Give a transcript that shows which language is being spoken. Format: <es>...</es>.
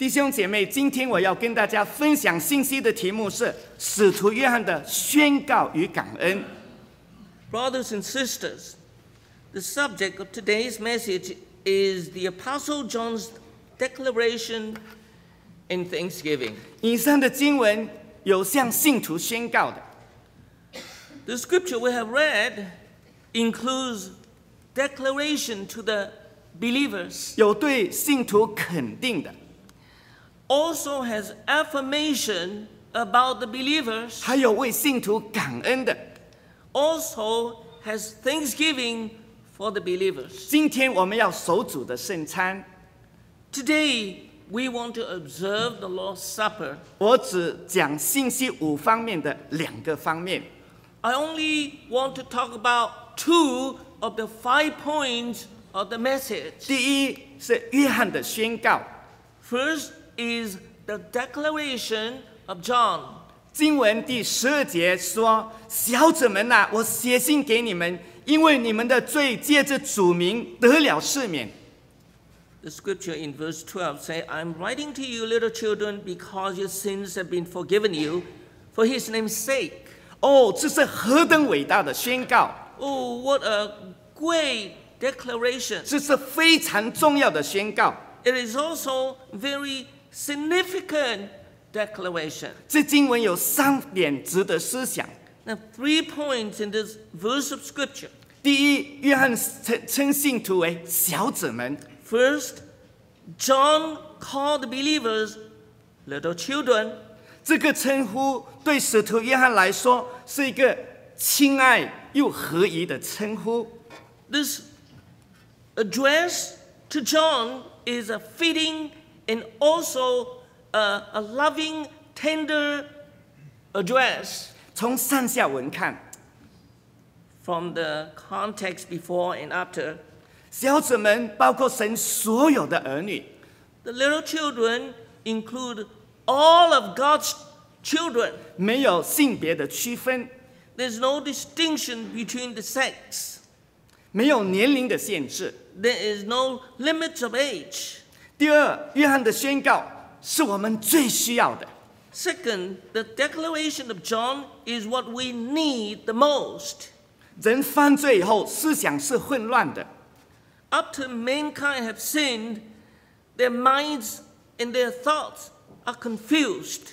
<zh>姐妹，今天我要跟大家分享信息的题目是《使徒约翰的宣告与感恩》。</zh> <en>Brothers and sisters, the subject of today's message is the Apostle John's declaration in thanksgiving.</en> <zh>以上的经文有向信徒宣告的。</zh> <en>The scripture we have read includes declaration to the believers.</en> <zh>有对信徒肯定的。</zh> <en>also has affirmation about the believers.</en> <zh>还有为信徒感恩的。</zh> <en>Also has thanksgiving for the believers.</en> <zh>今天我们要守主的圣餐。</zh> <en>Today we want to observe the Lord's Supper.</en> <zh>我只讲信息五方面的两个方面。</zh> <en>I only want to talk about two of the five points of the message.</en> <zh>第一是约翰的宣告。</zh> <en>First is the declaration of John.</en> <zh>经文第十二节说，小子们啊，我写信给你们，因为你们的罪借着主名得了赦免。</zh> <en>The scripture in verse 12 says, I'm writing to you, little children, because your sins have been forgiven you for his name's sake.</en> <zh>Oh, 这是何等伟大的宣告。</zh> <en>Oh, what a great declaration.</en> <zh>这是非常重要的宣告。</zh> <en>It is also very significant declaration.</en> <zh>这经文有三点值得思想。</zh> <en>Now, three points in this verse of scripture.</en> <zh>第一，约翰称信徒为小子们。</zh> <en>First, John called believers little children.</en> <zh>这个称呼对使徒约翰来说是一个亲爱又合宜的称呼。</zh> <en>This address to John is a fitting and also a loving, tender address.</en> <zh>从上下文看。</zh> <en>From the context before and after.</en> <zh>小子们包括神所有的儿女。</zh> <en>The little children include all of God's children.</en> <zh>没有性别的区分。</zh> <en>There's no distinction between the sex.</en> <zh>没有年龄的限制。</zh> <en>There is no limit of age.</en> <zh>第二，约翰的宣告是我们最需要的。</zh> <en>Second, the declaration of John is what we need the most.</en> <zh>人犯罪以后，思想是混乱的。</zh> <en>After mankind have sinned, their minds and their thoughts are confused.</en>